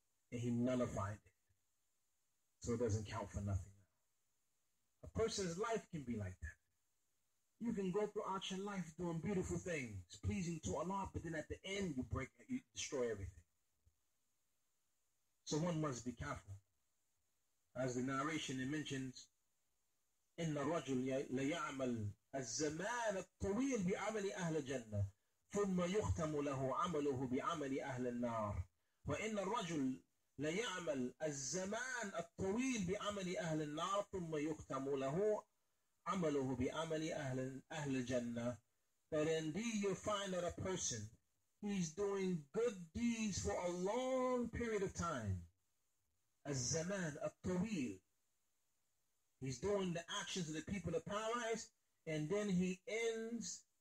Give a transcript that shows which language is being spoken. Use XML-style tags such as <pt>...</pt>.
<en>And he nullified it. So it doesn't count for nothing. A person's life can be like that. You can go throughout your life doing beautiful things, pleasing to Allah, but then at the end you break, you destroy everything. So one must be careful. As the narration it mentions,</en> <ar>إِنَّ الرَّجُلْ لَيَعْمَلْ الزَّمَانَ الطَّوِيلِ بِعَمَلِ أَهْلَ جَنَّةِ ثُمَّ يُخْتَمُ لَهُ عَمَلُهُ بِعَمَلِ أَهْلَ النَّارِ وَإِنَّ الرَّجُلْ لَيَعْمَلْ الزَّمَانَ الطَّوِيلِ بِعَمَلِ أَهْلَ النَّارِ ثُمَّ يُخْتَمُ لَهُ عَمَلُهُ بِعَمَلِ أَهْلَ الْجَنَّةِ.</ar> <en>But indeed you find that a person, he's doing good deeds for a long period of time.</en> <ar>الزَّمَانَ الطَّوِيلِ.</ar> <en>He's doing the actions of the people of paradise, and then he ends</en>